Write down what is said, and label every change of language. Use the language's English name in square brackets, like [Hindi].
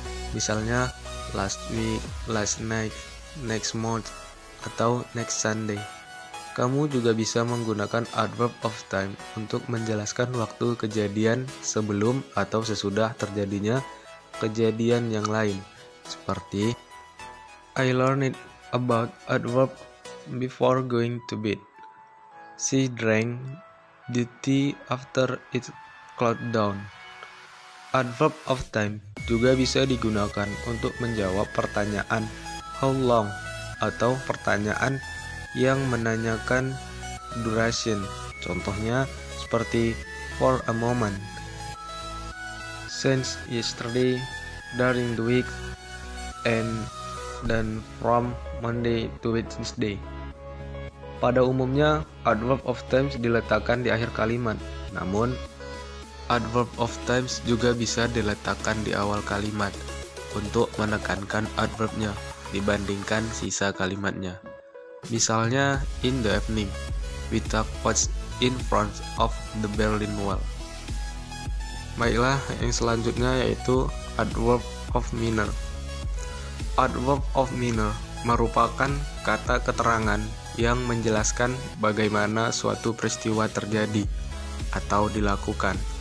[Indonesian] Misalnya, [English] last week, last night, next month, [Indonesian] atau [English] next Sunday. [Indonesian] Kamu juga bisa menggunakan adverb of time untuk menjelaskan waktu kejadian sebelum atau sesudah terjadinya kejadian yang lain. Seperti, [English] I learned about adverb before going to bed. She drank the tea after it cooled down. [Indonesian] Adverb of time juga bisa digunakan untuk menjawab pertanyaan [English] how long [Indonesian] atau pertanyaan yang menanyakan duration. Contohnya seperti [English] for a moment, since yesterday, during the week, and then from Monday to Wednesday. [Indonesian] Pada umumnya, adverb of time diletakkan di akhir kalimat. Namun, adverb of time juga bisa diletakkan di awal kalimat untuk menekankan adverbnya dibandingkan sisa kalimatnya. Misalnya, [English] in the evening, we talk what's in front of the Berlin Wall. [Indonesian] Baiklah, yang selanjutnya yaitu adverb of manner. Adverb of manner merupakan kata keterangan yang menjelaskan bagaimana suatu peristiwa terjadi atau dilakukan.